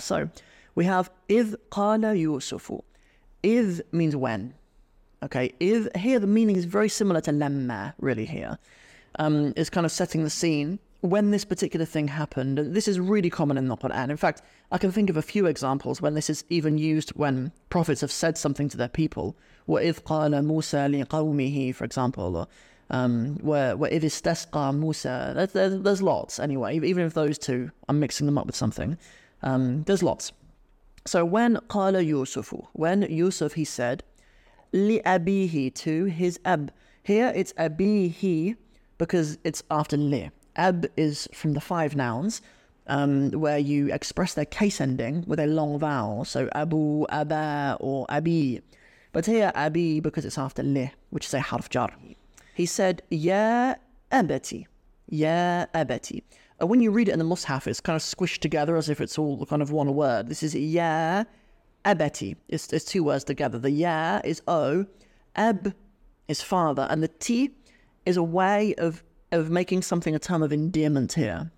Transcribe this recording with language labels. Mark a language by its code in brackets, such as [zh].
[en] So we have [ar] إِذْ قَالَ يُوسُفُ. [en] إِذْ means when. Okay, إِذْ here, the meaning is very similar to لَمَّا, really here. It's kind of setting the scene when this particular thing happened. This is really common in the Qur'an. In fact, I can think of a few examples when this is even used when prophets have said something to their people. [ar] وَإِذْ قَالَ مُوسَى لِقَوْمِهِ, [en] for example, or where [ar] إِذْ اسْتَسْقَى مُوسَى. [en] There's lots, anyway, even if those two, I'm mixing them up with something. There's lots. So when [ar] قَالَ يُوسُفُ, [en] when Yusuf, he said, لِأَبِيهِ, to his أَب. Here it's أَبِيهِ because it's after لِ. أَب is from the five nouns, where you express their case ending with a long vowel. [ar] So أَبُو, أَبَا, or أَبِي. [en] But here أَبِي because it's after لِ, which is a harf jar. He said, [ar] يَا أَبَتِي, يَا أَبَتِي. [en] And when you read it in the Mus'haf, it's kind of squished together as if it's all kind of one word. This is [ar] يَا أَبَتِي. [en] It's two words together. The يَا is O, أَب is father, and the T is a way of making something a term of endearment here.